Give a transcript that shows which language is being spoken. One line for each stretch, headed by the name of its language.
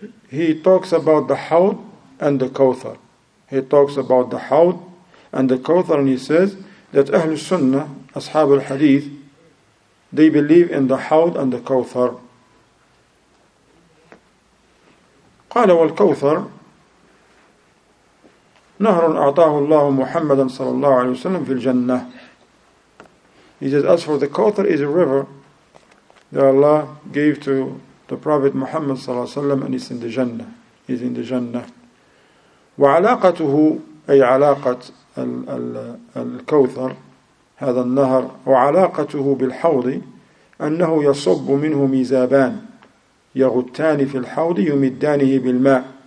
English: he talks about the Haud and the Kawthar. He talks about the Haud and the Kawthar, and he says that Ahlul Sunnah, Ashab al-Hadith, they believe in the Haud and the Kawthar.
Arabic: قال والكوثر نهر أعطاه الله محمدا صلى الله عليه وسلم في الجنة.
English: He says, as for the Kawthar, is a river that Allah gave to the Prophet Muhammad
Arabic: صلى الله عليه وسلم,
English: and it's in the Jannah. He's in the Jannah.
Arabic: وعلاقته أي علاقة الكوثر هذا النهر وعلاقته بالحوض أنه يصب منه ميزابان يغتان في الحوض يمدانه بالماء.